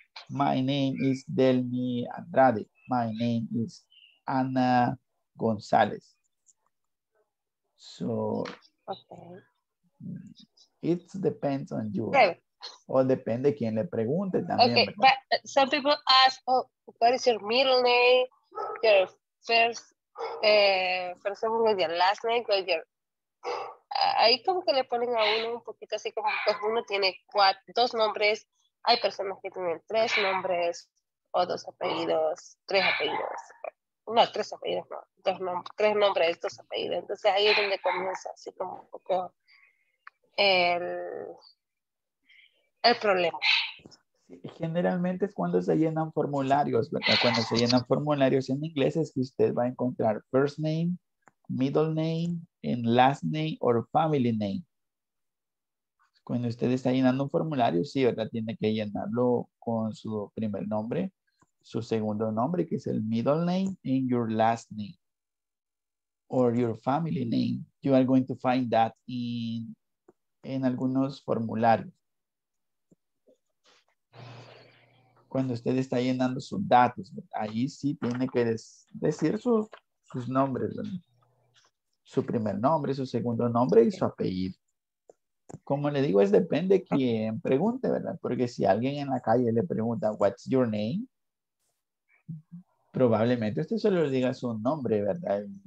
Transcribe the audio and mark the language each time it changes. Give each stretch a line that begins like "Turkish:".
English: My name is Delmi Andrade. My name is Anna Gonzalez. So okay. It depends on you. Okay.
Spanish: O depende quien le pregunte también.
English: Okay. But some people ask, oh, what is your middle name? Your first, first name, last name,
Spanish: ahí como que le ponen a uno un poquito así como uno tiene dos nombres, hay personas que tienen tres nombres o dos apellidos, tres apellidos, entonces ahí es donde comienza así como un poco el problema. Generalmente es cuando se llenan formularios, ¿verdad? Cuando se llenan formularios en inglés es que usted va a encontrar
English: first name, middle name, and last name or family name.
Spanish: Cuando usted está llenando un formulario, sí, ¿verdad? Tiene que llenarlo con su primer nombre, su segundo nombre, que es el middle name,
English: and your last name. Or your family name. You are going to find that in
Spanish: algunos formularios. Cuando usted está llenando sus datos, ahí sí tiene que decir sus nombres, ¿no? Su primer nombre, su segundo nombre y su apellido. Como le digo, es depende quién pregunte, ¿verdad? Porque si alguien en la calle le pregunta,
English: what's your name?
Spanish: Probablemente usted solo diga su nombre, ¿verdad?